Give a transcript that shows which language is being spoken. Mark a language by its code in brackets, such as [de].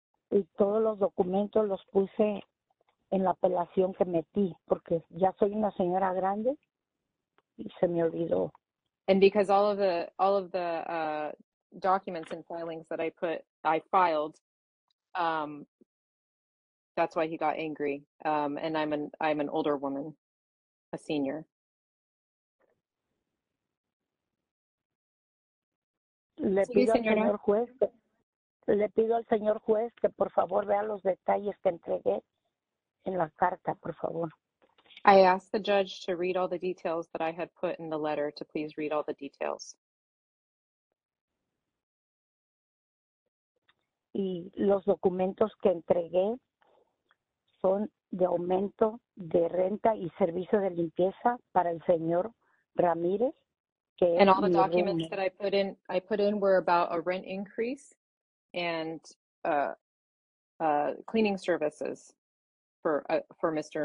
[es] Y todos los documentos los puse en la apelación que metí, porque ya soy una señora grande y se me olvidó. [en] And because all of the documents and filings that I filed, that's why he got angry. And I'm an older woman, a senior. [es] Le pido al señor juez que por favor vea los detalles que entregué en la carta, por favor. [en] I asked the judge to read all the details that I had put in the letter, to please read all the details. [es] Y los documentos que entregué son de aumento de renta y servicio de limpieza para el señor Ramírez. [en] And all the documents that I put in were about a rent increase and cleaning services for Mr.